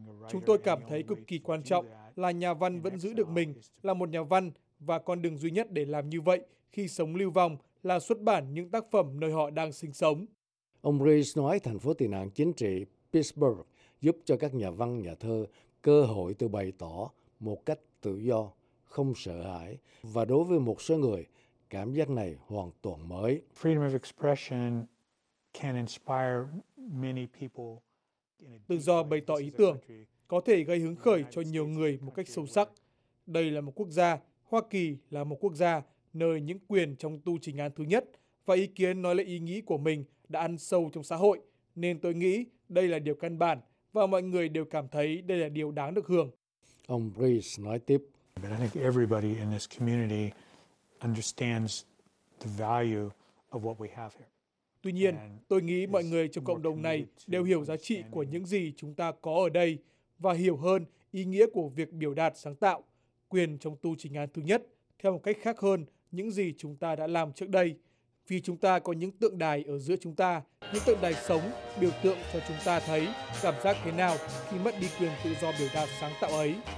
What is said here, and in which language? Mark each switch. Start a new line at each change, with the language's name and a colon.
Vietnamese: Chúng tôi cảm thấy cực kỳ quan trọng là nhà văn vẫn giữ được mình là một nhà văn, và con đường duy nhất để làm như vậy khi sống lưu vong là xuất bản những tác phẩm nơi họ đang sinh sống. Ông Reyes nói thành phố tị nạn chính trị Pittsburgh giúp cho các nhà văn, nhà thơ cơ hội tự bày tỏ một cách tự do, không sợ hãi, và đối với một số người, cảm giác này hoàn toàn mới.
English: Freedom of expression can inspire many people.
Vietnamese: Tự do bày tỏ ý tưởng có thể gây hứng khởi cho nhiều người một cách sâu sắc. Đây là một quốc gia, Hoa Kỳ là một quốc gia nơi những quyền trong tu trình án thứ nhất và ý kiến nói lên ý nghĩ của mình đã ăn sâu trong xã hội, nên tôi nghĩ đây là điều căn bản và mọi người đều cảm thấy đây là điều đáng được hưởng. Ông Reyes nói tiếp.
English: But I think everybody in this community understands the value of what we have here.
Vietnamese: Tuy nhiên, tôi nghĩ mọi người trong cộng đồng này đều hiểu giá trị của những gì chúng ta có ở đây và hiểu hơn ý nghĩa của việc biểu đạt sáng tạo, quyền trong tu trình án thứ nhất theo một cách khác hơn những gì chúng ta đã làm trước đây. Vì chúng ta có những tượng đài ở giữa chúng ta, những tượng đài sống biểu tượng cho chúng ta thấy cảm giác thế nào khi mất đi quyền tự do biểu đạt sáng tạo ấy.